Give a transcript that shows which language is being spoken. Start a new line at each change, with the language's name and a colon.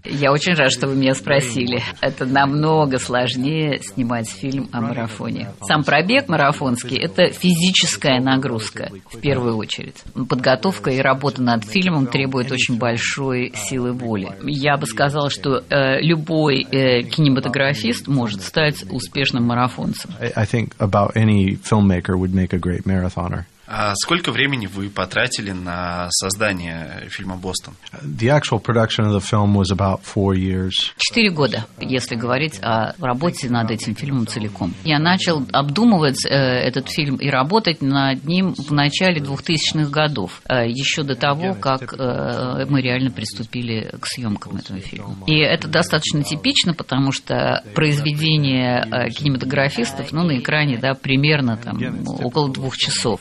Russian: Я очень рад, что вы меня спросили. Это намного сложнее снимать фильм о марафоне. Сам пробег марафонский – это физическая нагрузка в первую очередь. Подготовка и работа над фильмом требует очень большой силы воли. Я бы сказала, что любой кинематографист может стать успешным марафонцем.
English: I think about any filmmaker would make a great marathoner.
Russian: А сколько времени вы потратили на создание фильма «Бостон»?
English: The actual production of the film was about 4 years.
Russian: 4 года, если говорить о работе над этим фильмом целиком. Я начал обдумывать этот фильм и работать над ним в начале 2000-х годов, еще до того, как мы реально приступили к съемкам этого фильма. И это достаточно типично, потому что произведение кинематографистов, ну, на экране, да, примерно там около 2 часов.